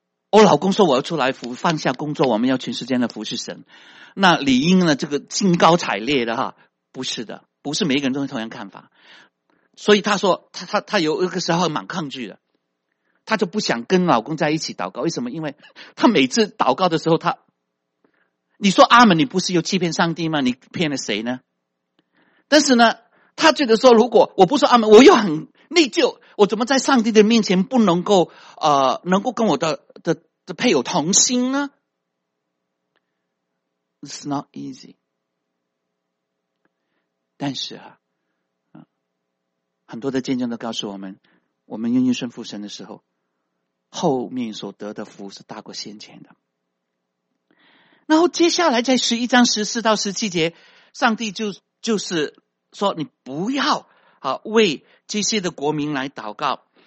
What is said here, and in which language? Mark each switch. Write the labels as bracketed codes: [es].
[zh] 我老公说我要出来放下工作，我们要全时间的服侍神，那理应呢这个兴高采烈的哈，不是的，不是每一个人都会同样看法，所以他说他有一个时候蛮抗拒的，他就不想跟老公在一起祷告。为什么？因为他每次祷告的时候，他你说阿们，你不是又欺骗上帝吗？你骗了谁呢？但是呢，他觉得说，如果我不说阿们，我又很内疚，我怎么在上帝的面前不能够能够跟我的配偶同心呢？ [en] It's not easy。 [zh] 但是啊，很多的见证都告诉我们，我们愿意顺服神的时候，后面所得的福是大过先前的。然后接下来在11章14到17节，上帝就是说你不要为这些的国民来祷告。